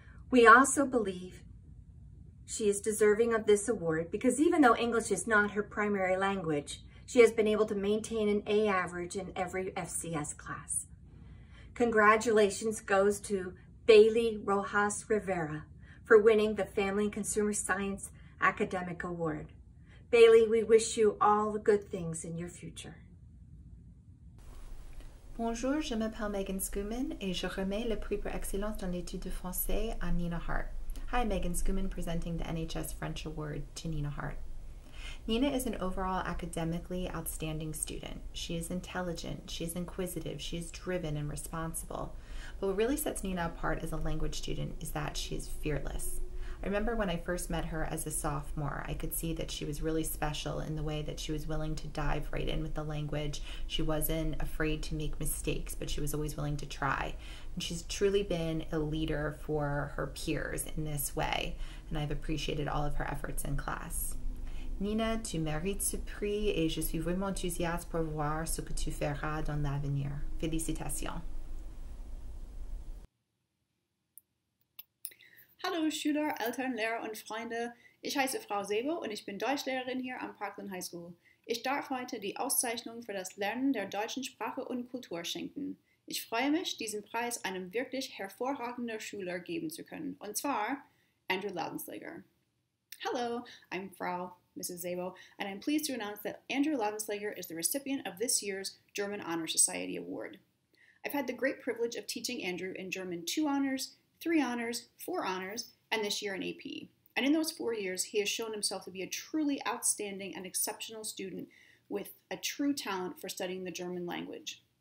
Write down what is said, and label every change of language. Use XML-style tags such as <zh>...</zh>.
<en>We also believe she is deserving of this award because even though English is not her primary language, she has been able to maintain an A average in every FCS class. Congratulations goes to Bailey Rojas Rivera for winning the Family and Consumer Science Academic Award. Bailey, we wish you all the good things in your future.</en> <fr>Bonjour, je m'appelle Megan Schumann et je remets le prix pour excellence dans l'étude de français à Nina Hart.</fr> <en>Hi, Megan Schumann presenting the NHS French Award to Nina Hart. Nina is an overall academically outstanding student. She is intelligent, she is inquisitive, she is driven and responsible. But what really sets Nina apart as a language student is that she is fearless. I remember when I first met her as a sophomore, I could see that she was really special in the way that she was willing to dive right in with the language. She wasn't afraid to make mistakes, but she was always willing to try. And she's truly been a leader for her peers in this way, and I've appreciated all of her efforts in class.</en> <fr>Nina, tu mérites ce prix et je suis vraiment enthousiaste pour voir ce que tu feras dans l'avenir. Félicitations.</fr> <de>Hallo Schüler, Eltern, Lehrer und Freunde. Ich heiße Frau Sebo und ich bin Deutschlehrerin hier am Parkland High School. Ich darf heute die Auszeichnung für das Lernen der deutschen Sprache und Kultur schenken. Ich freue mich, diesen Preis einem wirklich hervorragenden Schüler geben zu können, und zwar Andrew Laudenslager.</de> <en>Hello, I'm Frau Mrs. Zabo, and I'm pleased to announce that Andrew Laudenslager is the recipient of this year's German Honor Society Award. I've had the great privilege of teaching Andrew in German 2 honors, 3 honors, 4 honors, and this year an AP. And in those 4 years, he has shown himself to be a truly outstanding and exceptional student with a true talent for studying the German language.</en>